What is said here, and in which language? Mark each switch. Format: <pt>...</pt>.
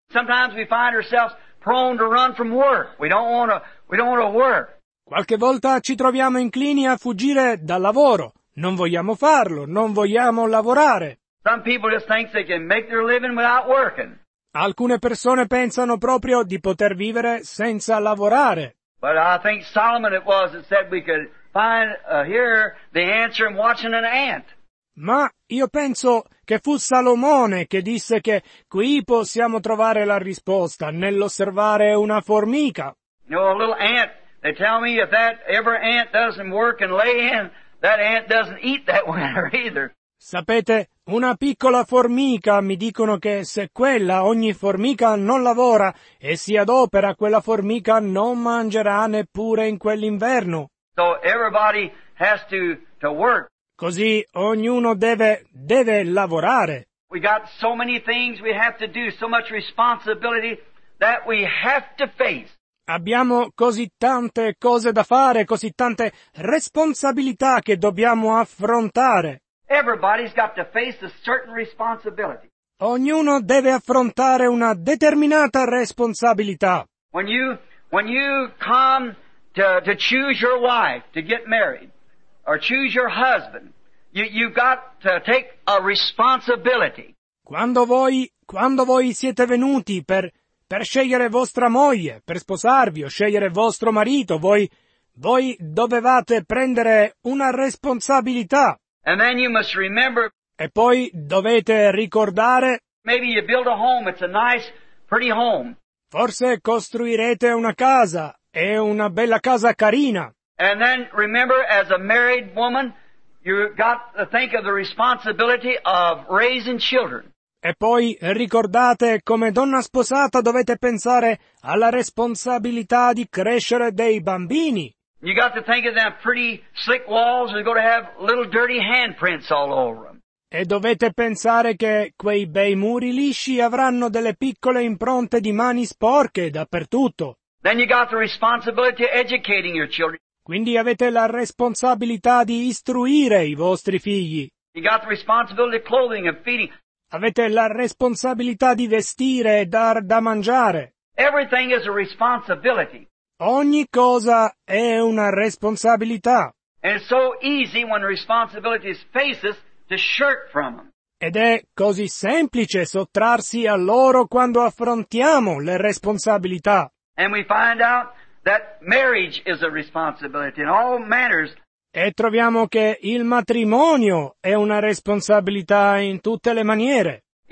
<en>Sometimes we find ourselves prone to run from work. We don't want to work.</en> <it>Qualche volta ci troviamo inclini a fuggire dal lavoro. Non vogliamo farlo, non vogliamo lavorare.</it> <en>Some people just think they can make their living without working.</en> <it>Alcune persone pensano proprio di poter vivere senza lavorare.</it> <en>But I think Solomon it was that said we could find here the answer in watching an ant.</en> <it>Ma io penso che fu Salomone che disse che qui possiamo trovare la risposta nell'osservare una formica.</it> <en>You know, a little ant, they tell me if that ever ant doesn't work and lay in, that ant doesn't eat that winter either.</en> <it>Sapete, una piccola formica, mi dicono che se quella, ogni formica non lavora e si adopera, quella formica non mangerà neppure in quell'inverno.</it> <en>So everybody has to work.</en> <it>Così ognuno deve lavorare.</it> <en>We got so many things we have to do, so much responsibility that we have to face.</en> <it>Abbiamo così tante cose da fare, così tante responsabilità che dobbiamo affrontare.</it> <en>Everybody's got to face a certain responsibility.</en> <it>Ognuno deve affrontare una determinata responsabilità.</it> <en>When you come to choose your wife to get married, or choose your husband, you've got to take a responsibility.</en> <it>Quando voi siete venuti per scegliere vostra moglie, per sposarvi o scegliere vostro marito, voi dovevate prendere una responsabilità.</it> <en>And then you must remember.</en> <it>E poi dovete ricordare.</it> <en>Maybe you build a home. It's a nice, pretty home.</en> <it>Forse costruirete una casa. È una bella casa carina.</it> <en>And then remember, as a married woman, you got to think of the responsibility of raising children.</en> <it>E poi ricordate, come donna sposata dovete pensare alla responsabilità di crescere dei bambini.</it> <en>You got to think of them pretty slick walls are going to have little dirty handprints all over them.</en> <it>E dovete pensare che quei bei muri lisci avranno delle piccole impronte di mani sporche dappertutto.</it> <en>Then you got the responsibility of educating your children.</en> <it>Quindi avete la responsabilità di istruire i vostri figli.</it> <en>You got the responsibility of clothing and feeding.</en> <it>Avete la responsabilità di vestire e dar da mangiare.</it> <en>Everything is a responsibility.</en> <it>Ogni cosa è una responsabilità.</it> <en>And it's so easy when responsibility is faces to shirk from them.</en> <it>Ed è così semplice sottrarsi a loro quando affrontiamo le responsabilità.</it> <en>And we find out that marriage is a responsibility in all manners.</en> <it>E troviamo che il matrimonio è una responsabilità in tutte le maniere.</it>